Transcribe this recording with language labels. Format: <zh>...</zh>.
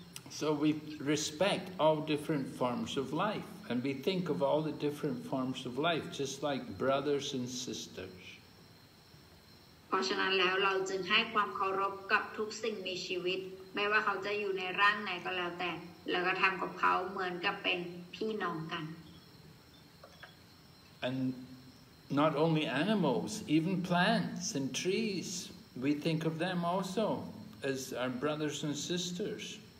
<en>So we respect all different forms of life and we think of all the different forms of life just like brothers and sisters.</en> <th>เพราะฉะนั้นแล้วเราจึงให้ความเคารพกับทุกสิ่งมีชีวิตไม่ว่าเขาจะอยู่ในร่างไหนก็แล้วแต่แล้วก็ทำกับเขาเหมือนกับเป็นพี่น้องกัน</th> <en>And not only animals, even plants and trees, we think of them also as our brothers and sisters.</en>